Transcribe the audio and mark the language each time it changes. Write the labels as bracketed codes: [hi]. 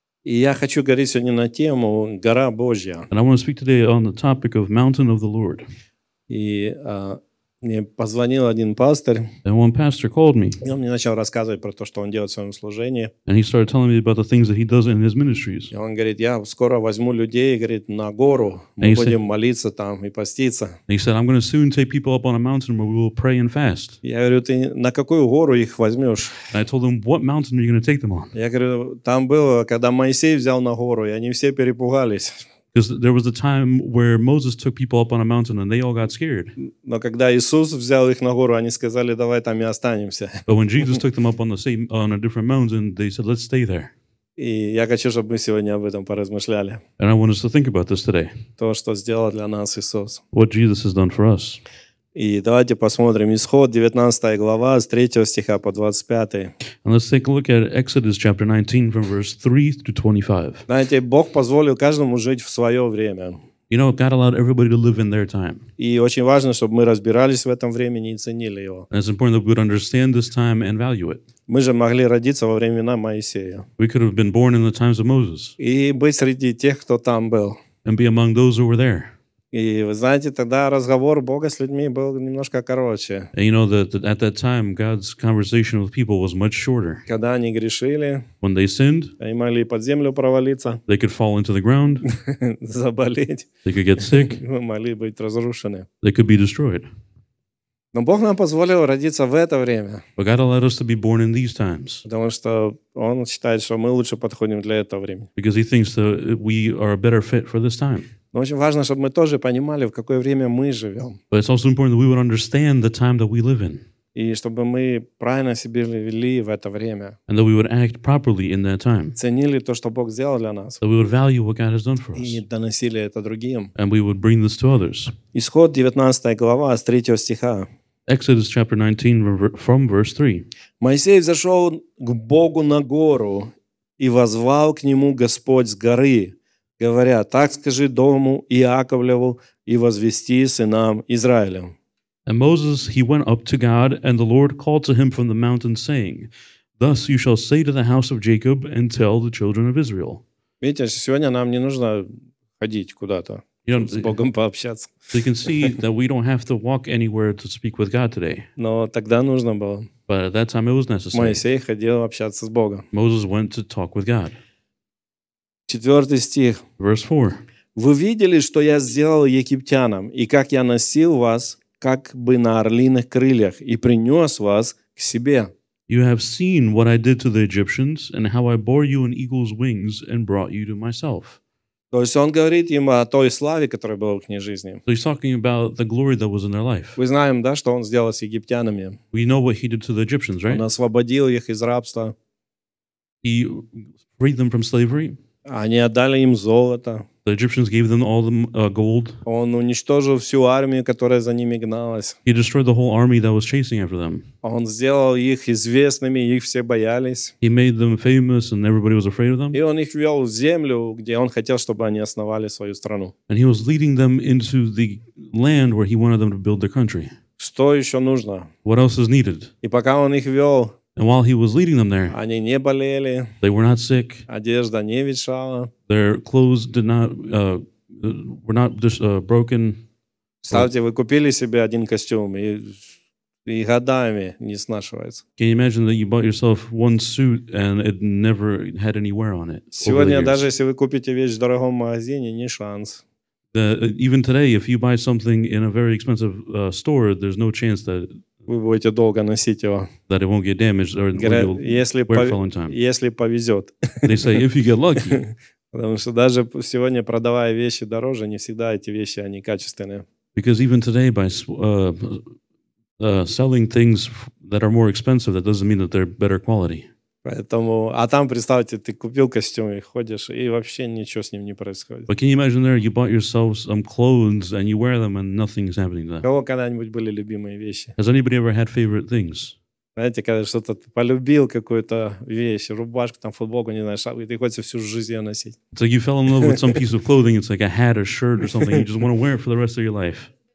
[ru] И я хочу говорить сегодня на тему «Гора Божья». [en] And I want to speak today on the topic of Mountain of the Lord. [ru] И мне позвонил один пастор. [en] And one pastor called me. [ru] И он мне начал рассказывать про то, что он делает в своем служении. [en] And he started telling me about the things that he does in his ministries. [ru] И он говорит, я скоро возьму людей, говорит, на гору. Мы будем молиться там и поститься. [en] And he said, I'm going to soon take people up on a mountain where we will pray and fast. [ru] Я говорю, ты на какую гору их возьмешь? [en] And I told him, what mountain are you going to take them on? [ru] Я говорю, там было, когда Моисей взял на гору, и они все перепугались. [en] Because there was a time where Moses took people up on a mountain and they all got scared. [ru] Но когда Иисус взял их на гору, они сказали, давай там и останемся. [en] But when Jesus took them up on the same, on a different mountain, they said, let's stay there. [ru] И я хочу, чтобы мы сегодня об этом поразмышляли. [en] And I want us to think about this today. [ru] То, что сделал для нас Иисус. [en] What Jesus has done for us. [ru] И давайте посмотрим Исход, 19 глава, с 3 стиха по 25. [en] And let's take a look at Exodus chapter 19 from verse 3 to 25. [ru] Знаете, Бог позволил каждому жить в свое время. [en] You know, God allowed everybody to live in their time. [ru] И очень важно, чтобы мы разбирались в этом времени и ценили его. [en] And it's important that we would understand this time and value it. [ru] Мы же могли родиться во времена Моисея. [en] We could have been born in the times of Moses. [ru] И быть среди тех, кто там был. [en] And be among those who were there. [ru] И вы знаете, тогда разговор Бога с людьми был немножко короче. [en] And you know that at that time God's conversation with people was much shorter. [ru] Когда они грешили, [en] when they sinned, [ru] они могли под землю провалиться, [en] they could fall into the ground, [ru] заболеть, [en] they could get sick, [ru] могли быть разрушены, [en] they could be destroyed. [ru] Но Бог нам позволил родиться в это время. [en] But God allowed us to be born in these times. [ru] Потому что Он считает, что мы лучше подходим для этого времени. [en] Because He thinks that we are a better fit for this time. [ru] Но очень важно, чтобы мы тоже понимали, в какое время мы живем. [en] But it's also important that we would understand the time that we live in. [ru] И чтобы мы правильно себя вели в это время. [en] And that we would act properly in that time. [ru] Ценили то, что Бог сделал для нас. [en] That we would value what God has done for us. [ru] И доносили это другим. [en] And we would bring this to others. [ru] Исход, 19 глава, с 3 стиха. [en] Exodus chapter 19, from verse 3. [ru] Моисей взошел к Богу на гору и возвал к нему Господь с горы, говоря, так скажи дому Иаковлеву и возвести сынам Израилем. [en] And Moses, he went up to God, and the Lord called to him from the mountain, saying, thus you shall say to the house of Jacob and tell the children of Israel. [ru] Видите, сегодня нам не нужно ходить куда-то, [en] you know, [ru] с Богом пообщаться. [en] So you can see that we don't have to walk anywhere to speak with God today. [ru] Но тогда нужно было. [en] But at that time it was necessary. [ru] Моисей ходил общаться с Богом. [en] Moses went to talk with God. [ru] 4 стих. [en] Verse 4. [ru] Вы видели, что я сделал египтянам, и как я носил вас, как бы на орлиных крыльях, и принес вас к себе. [en] You have seen what I did to the Egyptians, and how I bore you in eagle's wings, and brought you to myself. [ru] То есть он говорит им о той славе, которая была в их жизни. [en] So he's talking about the glory that was in their life. [ru] Мы знаем, да, что он сделал с египтянами. [en] We know what he did to the Egyptians, right? [ru] Он освободил их из рабства. [en] He freed them from slavery. [ru] Они отдали им золото. [en] The Egyptians gave them all the gold. [ru] Он уничтожил всю армию, которая за ними гналась. [en] He destroyed the whole army that was chasing after them. [ru] Он сделал их известными, их все боялись. [en] He made them famous and everybody was afraid of them. [ru] И он их вел в землю, где он хотел, чтобы они основали свою страну. [en] And he was leading them into the land where he wanted them to build their country. [ru] Что еще нужно? [en] What else is needed? [ru] И пока он их вел... [en] And while he was leading them there, [ru] они не болели, [en] they were not sick. [ru] Одежда не ветшала, [en] their clothes did not were not just broken. [ru] Ставьте, вы купили себе один костюм и годами не снашивается. [en] Can you imagine that you bought yourself one suit and it never had any wear on it? [ru] Сегодня даже если вы купите вещь в дорогом магазине, не шанс. [en] Even today, if you buy something in a very expensive store, there's no chance that [ru] вы будете долго носить его. [en] That it won't get damaged or [ru] если [en] wear it for a long time. [ru] Если повезет. [en] They say, if you get lucky. [ru] Потому что даже сегодня, продавая вещи дороже, не всегда эти вещи, они качественные. [en] Because even today, by selling things that are more expensive, that doesn't mean that they're better quality. [ru] Поэтому, а там, представьте, ты купил костюм и ходишь, и вообще ничего с ним не происходит. [en] But can you imagine there, you bought yourself some clothes, and you wear them, and nothing is happening to them. [ru] У кого когда-нибудь были любимые вещи? [en] Has anybody ever had favorite things? [ru] Знаете, когда что-то полюбил, какую-то вещь, рубашку, там, футболку, не знаю, шапку, и ты хочешь всю жизнь ее носить. [en] It's like you fell in love with some piece of clothing, it's like a hat or shirt or something, you just want to wear it for the rest of your life.